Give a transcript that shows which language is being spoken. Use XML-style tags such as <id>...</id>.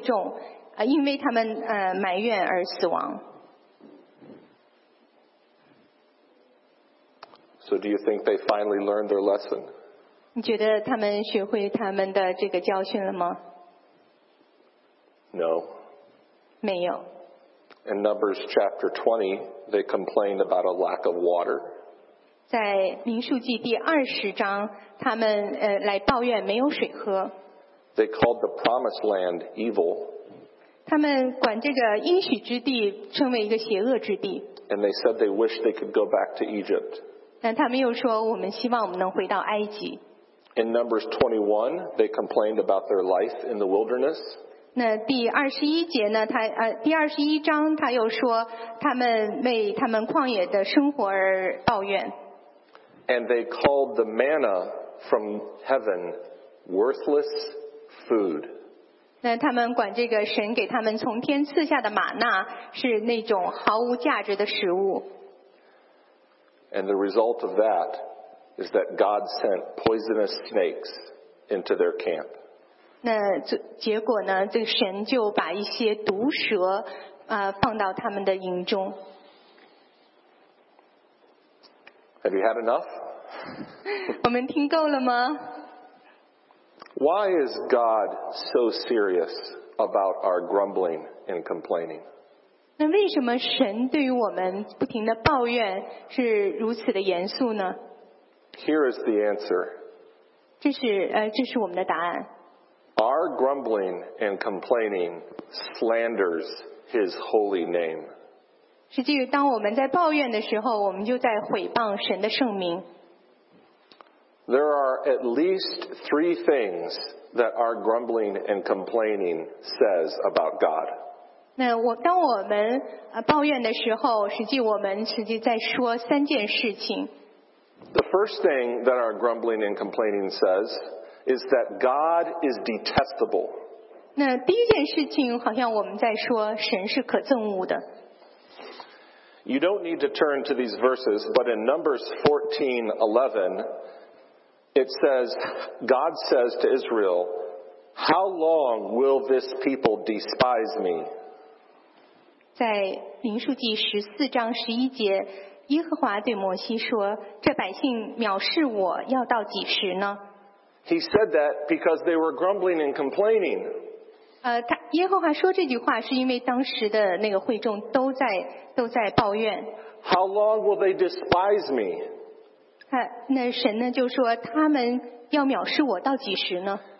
<zh>那14,700会众因为他们埋怨而死亡。</zh> <en>So do you think they finally learned their lesson?</en> <zh>你觉得他们学会他们的这个教训了吗?</zh> <en>No.</en> <zh>没有。</zh> <en>In Numbers chapter 20, they complained about a lack of water.</en> <zh>在民数记第20章,他们来抱怨没有水喝。</zh> <en>They called the promised land evil.</en> <zh>他们管这个应许之地称为一个邪恶之地。</zh> <en>And they said they wish they could go back to Egypt.</en> <zh>但他们又说我们希望我们能回到埃及。</zh> <en>In Numbers 21, they complained about their life in the wilderness.</en> <zh>那第二十一节呢？第二十一章他又说他们为他们旷野的生活而抱怨。</zh> <en>And they called the manna from heaven worthless food.</en> <zh>那他们管这个神给他们从天赐下的玛纳是那种毫无价值的食物。</zh> <en>And the result of that is that God sent poisonous snakes into their camp.</en> <zh>那结果呢？这个神就把一些毒蛇放到他们的营中。</zh> <en>Have you had enough?</en> <zh>我们听够了吗？</zh> <en>Why is God so serious about our grumbling and complaining?</en> <zh>那为什么神对于我们不停的抱怨是如此的严肃呢？</zh> <en>Here is the answer.</en> <zh>这是我们的答案。</zh> <en>Our grumbling and complaining slanders His holy name.</en> <zh>实际当我们在抱怨的时候，我们就在毁谤神的圣名。</zh> <en>There are at least three things that our grumbling and complaining says about God.</en> <zh>那当我们抱怨的时候，实际在说三件事情。</zh> <en>The first thing that our grumbling and complaining says is that God is detestable.</en> <zh>那第一件事情好像我们在说神是可憎恶的。</zh> <en>You don't need to turn to these verses, but in Numbers 14:11, it says, God says to Israel, How long will this people despise me?</en> <zh>在民数记十四章十一节，耶和华对摩西说，这百姓藐视我要到几时呢？</zh> <en>He said that because they were grumbling and complaining.</en> <zh>耶和华说这句话是因为当时的那个会众都在抱怨。</zh> <en>How long will they despise me?</en> <zh>那神呢就说他们要藐视我到几时呢？</zh>